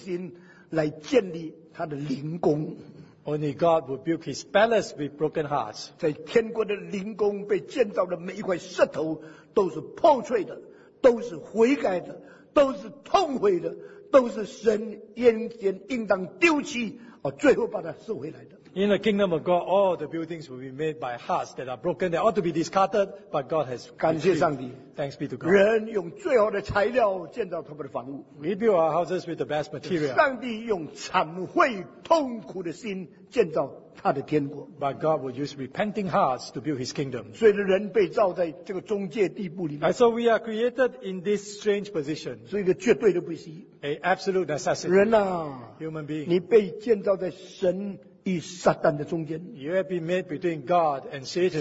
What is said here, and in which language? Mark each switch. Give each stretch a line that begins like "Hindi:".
Chinese: 只有上帝用悔改破碎的心来建立他的灵宫,
English: only God will build his palace with broken hearts.
Chinese: 在天国的灵宫被建造的每一块石头都是破碎的, 都是悔改的, 都是痛悔的, 都是神眼前应当丢弃, 最后把它收回来的。
English: In the kingdom of God, all the buildings will be made by hearts that are broken. They ought to be discarded, but God has received. Thanks be to God.
Chinese: 人用最好的材料建造他们的房屋.
English: We build our houses with the best material.
Chinese: 上帝用忏悔痛苦的心建造他的天国.
English: But God will use repenting hearts to build His kingdom.
Chinese: 所以人被造在这个中介地步里面.
English: And so we are created in this strange position.
Chinese: 所以一个绝对的不息.
English: A absolute necessity.
Chinese: 人啊,
English: human being.
Chinese: 你被建造在神 与撒旦的中间,
English: you have been made between God and Satan.